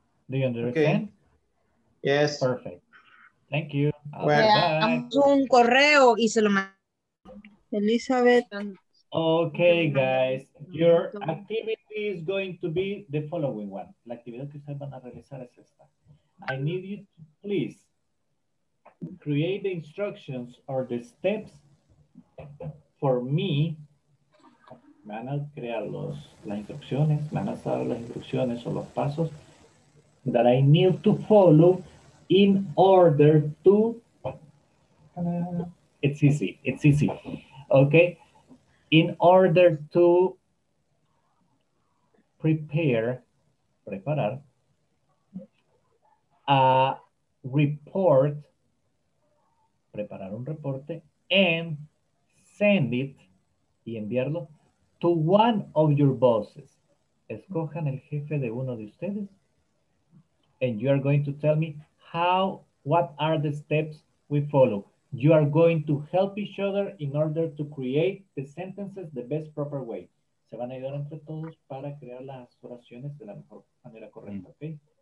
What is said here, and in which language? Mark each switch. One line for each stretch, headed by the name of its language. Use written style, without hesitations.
English: Do you understand? Okay. Yes. Perfect. Thank you.
Spanish: Yeah, un correo y se lo Elizabeth.
English: Okay, guys. Your activity is going to be the following one.
Spanish: La actividad que ustedes van a realizar es esta.
English: I need you to please create the instructions or the steps for me.
Spanish: Me van a crear las instrucciones, me van a dar las instrucciones o los pasos
English: that I need to follow in order to,
Spanish: it's easy, okay, in order to preparar
English: a report,
Spanish: preparar un reporte,
English: and send it,
Spanish: y enviarlo,
English: to one of your bosses.
Spanish: Escojan el jefe de uno de ustedes,
English: and you are going to tell me, how, what are the steps we follow? You are going to help each other in order to create the sentences the best proper way.
Spanish: Se van a ayudar entre todos para crear las oraciones de la mejor manera correcta, okay?